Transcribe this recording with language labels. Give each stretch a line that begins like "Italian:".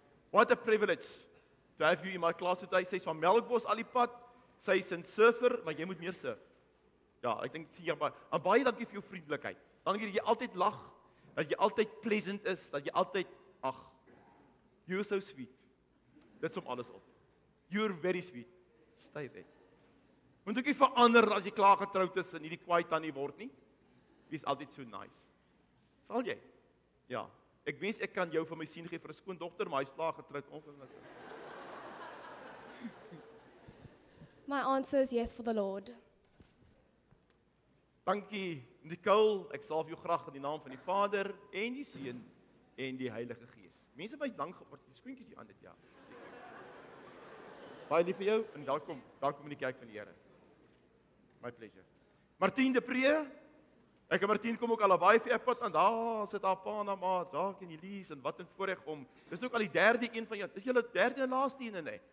English: What a privilege to have you in my class today.
Afrikaans: Sy is van Melkbosch al die pad. Sy is 'n surfer, maar jy moet meer surf. Ja, ek dink sien jy baie dankie vir jou vriendelikheid. Dankie dat jy altyd lag, dat jy altyd pleasant is, dat jy altyd ag.
English: You are so sweet.
Afrikaans: Dit som alles op.
English: You're very sweet. Stay there.
Afrikaans: Moet ook nie verander as jy klaar getroud is en hierdie kwaad tannie word nie. Wees altyd so nice. Sal jy? Ja. Ek wens ek kan jou van my sien gee vir 'n skoon dogter, maar hy is klaar getroud ongelukkig.
English: My answer is yes for the Lord.
Afrikaans: Dankie, Nicole. Ek salf jou graag in die naam van die Vader en die Seun en die Heilige Gees. Mense wys dank op die skoentjies hier aan dit, ja. Baie lief vir jou en welkom. Welkom in die kerk van die Here.
English: My pleasure.
Afrikaans: Martien de Pree. Ek en Martien kom ook al baie vir Appad aan. Daar sit haar pa en haar ma, Jacques en Elise en wat 'n voorreg om. Dis ook al die derde een van jou. Is julle derde en laaste een nee?